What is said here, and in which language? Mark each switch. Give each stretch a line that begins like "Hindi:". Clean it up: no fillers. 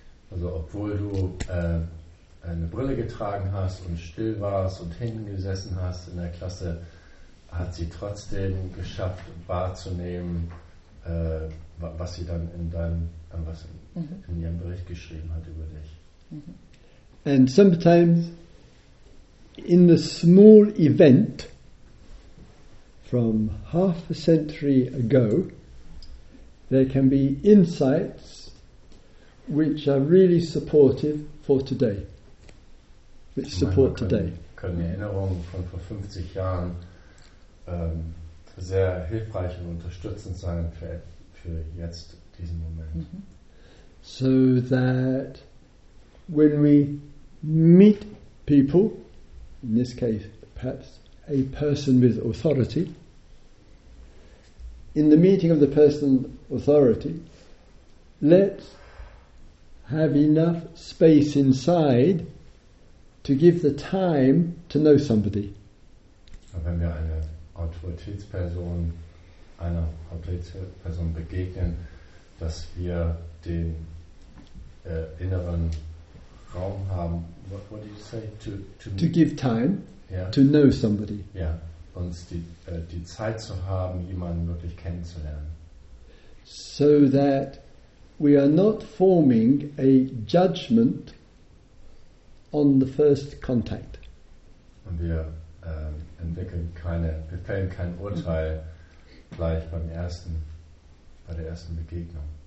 German: Also obwohl du eine Brille getragen hast und still warst und hingesessen hast in der Klasse, hat sie trotzdem geschafft wahrzunehmen, was sie dann in deinem, was in ihrem Bericht geschrieben hat über dich.
English: And sometimes in the small event from half a century ago, there can be insights which are really supportive for today. Which support
German: können,
English: today.
German: Können Erinnerungen von vor 50 Jahren sehr hilfreich und unterstützend sein für jetzt diesen Moment.
English: So that when we meet people, in this case perhaps a person with authority, in the meeting of the person authority, let's have enough space inside to give the time to know somebody.
German: Wenn wir einer Autoritätsperson, einer Autoritätsperson begegnen, dass wir den inneren Raum haben.
English: What do you say? To give time, yeah, to know somebody.
German: Ja, uns die Zeit zu haben, jemanden wirklich kennenzulernen.
English: So that we are not forming a judgment on the first contact.
German: Und wir entwickeln keine, wir fällen kein Urteil gleich beim ersten, bei der ersten Begegnung.